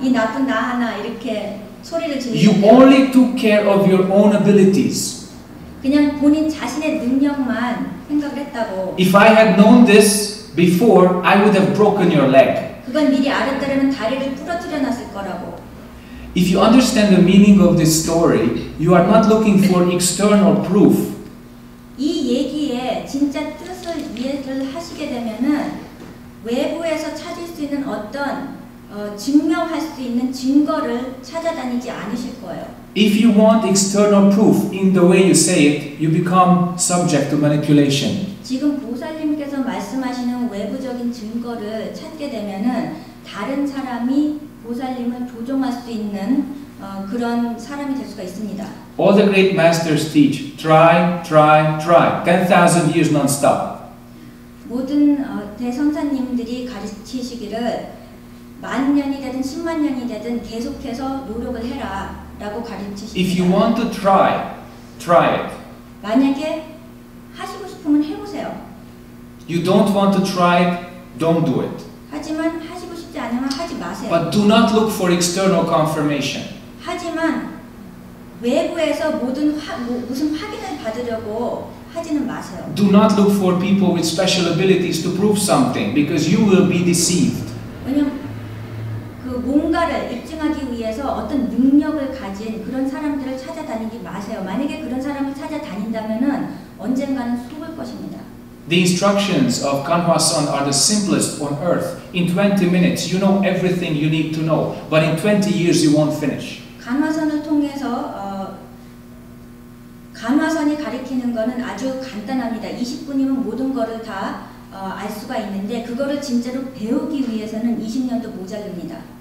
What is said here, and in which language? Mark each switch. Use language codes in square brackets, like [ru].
[ko] 이 나쁜 나 하나 이렇게 소리를 지르. [en] You only took care of your own abilities. [ko] 그냥 본인 자신의 능력만 생각했다고. [en] If I had known this before, I would have broken your leg. [ko] 그건 미리 알았더라면 다리를 부러뜨려 놨을 거라고. [en] If you understand the meaning of this story, you are not looking for external proof. [ko] 이 얘기의 진짜 뜻을 이해를 하시게 되면은 외부에서 찾을 수 있는 어떤 증명할 수 있는 증거를 찾아다니지 않으실 거예요. [en] If you want external proof in the way you say it, you become subject to manipulation. [ko] 지금 보살님께서 말씀하시는 외부적인 증거를 찾게 되면은 다른 사람이 보살님을 조종할 수 있는 그런 사람이 될 수가 있습니다. [en] All the great masters teach try, try, try. 10,000 years non-stop. [ko] 모든 대선사님들이 가르치시기를 만 년이든 10만 년이든 계속해서 노력을 해라라고 가르치십니다. [en] If you want to try, try it. [ko] 만약에 하시고 싶으면 해보세요. [en] You don't want to try it, don't do it. [ko] 하지만 하시고 싶지 않으면 하지 마세요. [en] But do not look for external confirmation. [ko] 하지만 외부에서 모든 무슨 확인을 받으려고 하지는 마세요. [en] Do not look for people with special abilities to prove something, because you will be deceived. [ko] 그 뭔가를 입증하기 위해서 어떤 능력을 가진 그런 사람들을 찾아다니지 마세요. 만약에 그런 사람을 찾아다닌다면은 언젠가는 속을 것입니다. [en] The instructions of Kanhwa-san are the simplest on earth. In 20 minutes, you know everything you need to know. But in 20 years, you won't finish. [ko] 간화선을 통해서 간화선이 가리키는 것은 아주 간단합니다. 20분이면 모든 것을 다 알 수가 있는데 그거를 진짜로 배우기 위해서는 20년도 모자릅니다.